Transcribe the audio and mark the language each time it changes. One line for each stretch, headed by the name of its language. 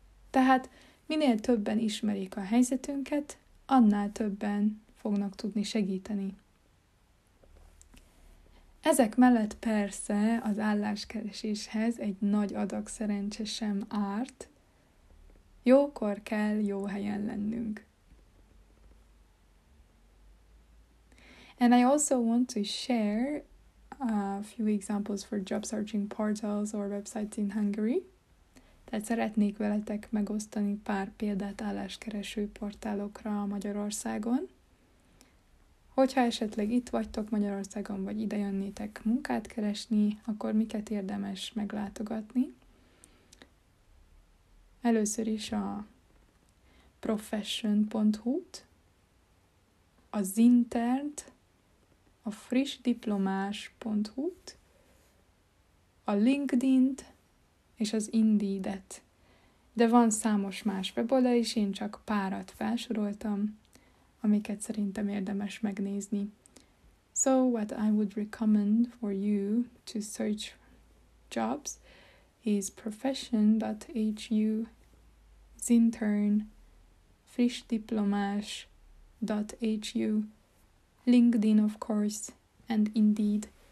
Hungarian: Tehát minél többen ismerik a helyzetünket, annál többen fognak tudni segíteni. Ezek mellett persze az álláskereséshez egy nagy adag szerencse sem árt. Jókor kell jó helyen lennünk.
English: And I also want to share a few examples for job searching portals or websites in Hungary.
Hungarian: Tehát szeretnék veletek megosztani pár példát álláskereső portálokra Magyarországon. Hogyha esetleg itt vagytok Magyarországon, vagy ide jönnétek munkát keresni, akkor miket érdemes meglátogatni? Először is a profession.hu-t, a Zinternt, a frissdiplomás.hu-t, a LinkedIn-t és az Indeed-et. De van számos más weboldal is, én csak párat felsoroltam, amiket szerintem érdemes megnézni.
English: So, what I would recommend for you to search jobs is profession.hu, Zintern, frissdiplomás.hu, LinkedIn, of course, and Indeed.